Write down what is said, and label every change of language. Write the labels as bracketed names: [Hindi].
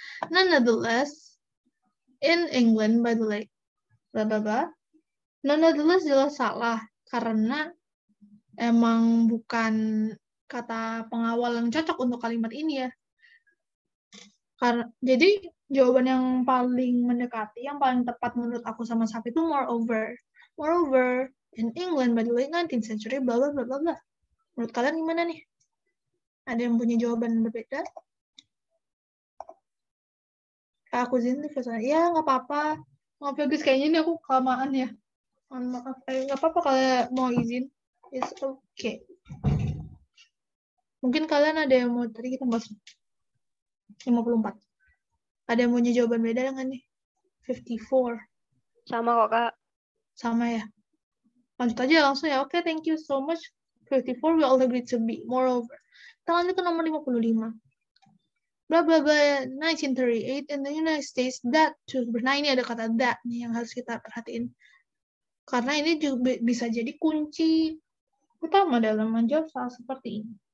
[English] Nonetheless, in England, by the way, blah, blah, blah. [Indonesian] Nonetheless jelas salah, karena emang bukan kata pengawal yang cocok untuk kalimat ini ya. Jadi, jawaban yang paling mendekati, yang paling tepat menurut aku sama Safi itu moreover. [English] Moreover, in England, by the way, 19th century, blah, blah, blah, blah, blah. [Indonesian] Menurut kalian gimana nih? Ada yang punya jawaban berbeda? Aku sini, ya nggak apa-apa. Maaf ya guys, kayaknya ini aku kelamaan ya. Maaf, nggak apa-apa kalau mau izin. [English] It's okay. [Indonesian] Mungkin kalian ada yang mau, tadi kita bahas 54. Ada yang punya jawaban beda nggak nih? 54. Sama kok, Kak. Sama ya. Lanjut aja langsung ya. [English] Okay, thank you so much. 54, we all agree to be. Moreover, [Indonesian] kita lanjut ke nomor 55. [English] Blah-blah-blah, 1938 in the United States, that too. [Indonesian] Nah, ini ada kata that nih yang harus kita perhatiin. Karena ini juga bisa jadi kunci utama dalam menjawab soal seperti ini.